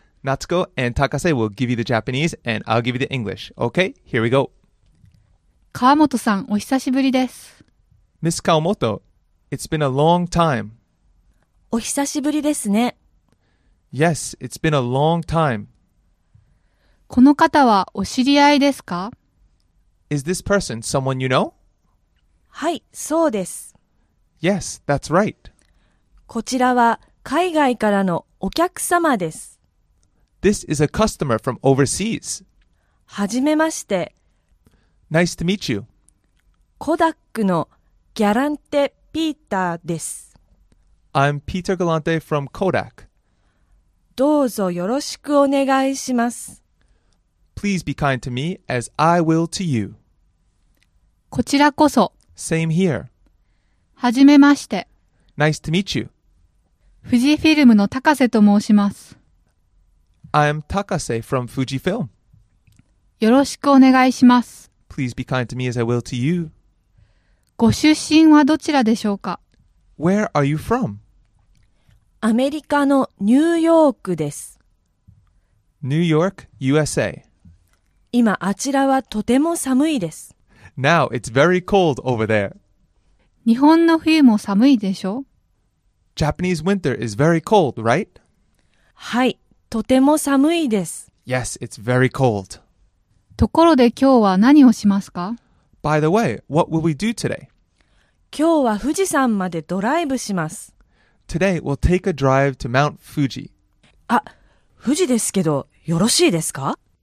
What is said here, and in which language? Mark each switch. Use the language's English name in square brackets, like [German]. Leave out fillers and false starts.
[English] Natsuko and Takase will give you the Japanese and I'll give you the English. Okay, here we go. [Japanese] 川本さん、お久しぶりです。 [English] Miss Kawamoto, it's been a long time. [Japanese] お久しぶりですね。 [English] Yes, it's been a long time. [Japanese] この方はお知り合いですか? [English] Is this person someone you know? [Japanese] はい、そうです。 [English] Yes, that's right. [Japanese] こちらは海外からのお客様です。 [English] This is a customer from overseas. [Japanese] はじめまして。 [English] Nice to meet you. [Japanese] コダックのギャランテ・ピーターです。 [English] I'm Peter Galante from Kodak. [Japanese] どうぞよろしくお願いします。 [English] Please be kind to me as I will to you. [Japanese] こちらこそ。 [English] Same here. [Japanese] はじめまして。 [English] Nice to meet you. [Japanese] 富士フィルムの高瀬と申します。 [English] I'm Takase from Fujifilm. [Japanese] よろしくお願いします。 [English] Please be kind to me as I will to you. [Japanese] ご出身はどちらでしょうか? [English] Where are you from? [Japanese] アメリカのニューヨークです。 [English] New York, USA. [Japanese] 今あちらはとても寒いです。 [English] Now it's very cold over there. [Japanese] 日本の冬も寒いでしょ? [English] Japanese winter is very cold, right? [Japanese] はい、とても寒いです。 [English] Yes, it's very cold. [Japanese] ところで今日は何をしますか? [English] By the way, what will we do today? [Japanese] 今日は富士山までドライブします。 [English] Today, we'll take a drive to Mount Fuji. [Japanese] あ、富士ですけど、よろしいですか?